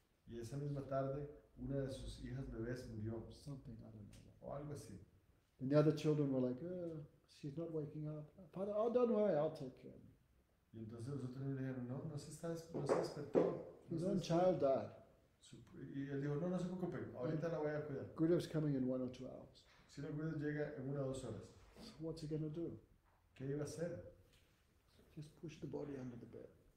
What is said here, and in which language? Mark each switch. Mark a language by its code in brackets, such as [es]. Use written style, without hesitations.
[es] Y esa misma tarde, una de sus hijas bebés murió. [en] Something, I don't know. [es] O algo así. [en] And the other children were like, she's not waking up. Father, oh, don't worry, I'll take care of her. [es] Y entonces los otros le dijeron, no, no se despertó. [en] His own child died. [es] Y él dijo, no se preocupe, ahorita la voy a cuidar. [en] Gurudev's coming in 1 or 2 hours. [es] Si no, Gurudev llega en 1 o 2 horas. [en] So what's he going to do? [es] ¿Qué iba a hacer? [en] Just push the body under the bed.